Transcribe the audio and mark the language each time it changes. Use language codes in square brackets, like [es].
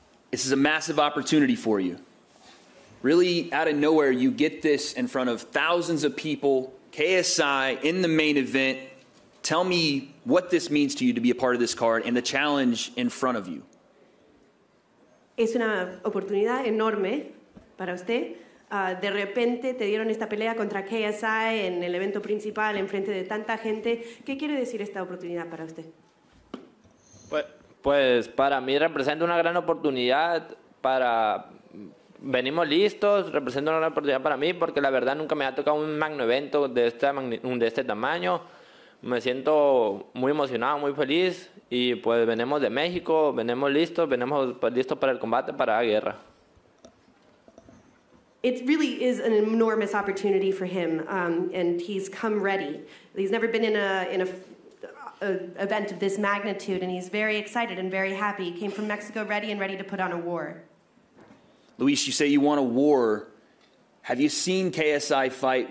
[en] This is a massive opportunity for you. Really, out of nowhere, you get this in front of thousands of people, KSI, in the main event. Tell me what this means to you to be a part of this card and the challenge in front of you. [es] Es una oportunidad enorme para usted. De repente te dieron esta pelea contra KSI en el evento principal, en frente de tanta gente. ¿Qué quiere decir esta oportunidad para usted? Pues para mí representa una gran oportunidad para... Venimos listos, representa una gran oportunidad para mí porque la verdad nunca me ha tocado un magno evento de este tamaño. Me siento muy emocionado, muy feliz y pues venimos de México, venimos listos para el combate, para la guerra. [en] It really is an enormous opportunity for him, and he's come ready. He's never been in an event of this magnitude, and he's very excited and very happy. He came from Mexico ready and ready to put on a war. Luis, you say you want a war. Have you seen KSI fight?